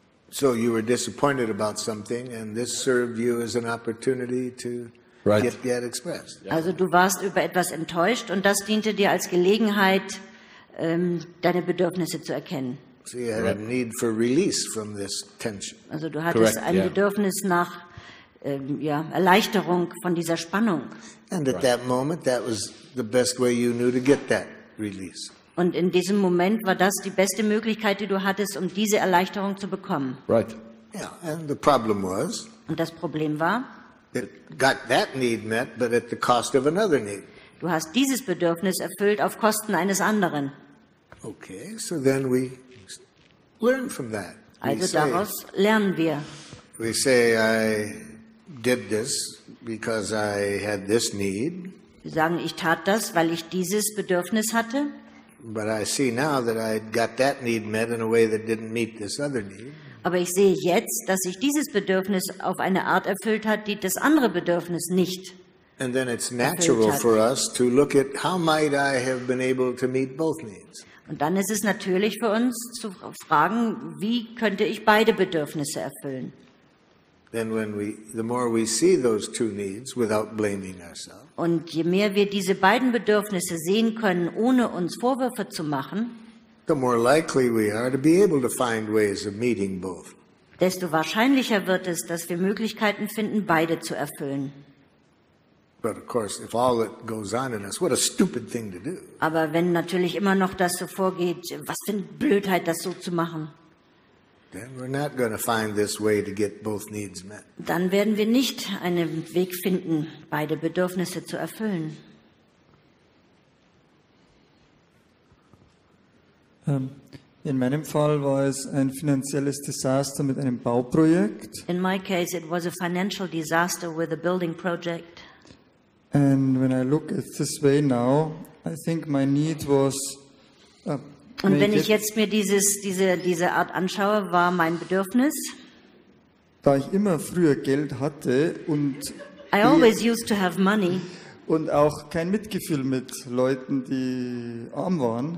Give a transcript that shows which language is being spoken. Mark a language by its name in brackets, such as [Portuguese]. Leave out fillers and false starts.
[English] So you were disappointed about something and this served you as an opportunity to right. get expressed. [German] Also du warst über etwas enttäuscht und das diente dir als Gelegenheit, deine Bedürfnisse zu erkennen. [English] So you had right. a need for release from this tension. [German] Also du hattest correct, ein yeah. Bedürfnis nach Erleichterung von dieser Spannung. [English] And at right. that moment that was the best way you knew to get that release. [German] Und in diesem Moment war das die beste Möglichkeit, die du hattest, um diese Erleichterung zu bekommen. [English] Right. Yeah, and the problem was, [German] und das Problem war, [English] it got that need met, but at the cost of another need. [German] Du hast dieses Bedürfnis erfüllt auf Kosten eines anderen. [English] Okay, so then we learn from that. [German] Also daraus lernen wir. [English] We say, I did this because I had this need. [German] Wir sagen, ich tat das, weil ich dieses Bedürfnis hatte. [English] But I see now that I got that need met in a way that didn't meet this other need. [German] Aber ich sehe jetzt, dass ich dieses Bedürfnis auf eine Art erfüllt hat, die das andere Bedürfnis nicht erfüllt hat. [English] And then it's natural for us to look at how might I have been able to meet both needs. [German] Und dann ist es natürlich für uns zu fragen, wie könnte ich beide Bedürfnisse erfüllen? [English] Then when the more we see those two needs without blaming ourselves. [German] Und je mehr wir diese beiden Bedürfnisse sehen können, ohne uns Vorwürfe zu machen, [English] the more likely we are to be able to find ways of meeting both. [German] Desto wahrscheinlicher wird es, dass wir Möglichkeiten finden, beide zu erfüllen. [English] But of course, if all that goes on in us, what a stupid thing to do. [German] Aber wenn natürlich immer noch das so vorgeht, was für eine Blödheit, das so zu machen. [English] Then we're not going to find this way to get both needs met. [German] Dann werden wir nicht einen Weg finden, beide Bedürfnisse zu erfüllen. Um, In meinem Fall war es ein finanzielles Desaster mit einem Bauprojekt. [English] In my case it was a financial disaster with a building project. And when I look at this way now, I think my need was [German] Und wenn ich jetzt mir diese Art anschaue, war mein Bedürfnis, da ich immer früher Geld hatte und [English] I always used to have money. [German] Und auch kein Mitgefühl mit Leuten, die arm waren.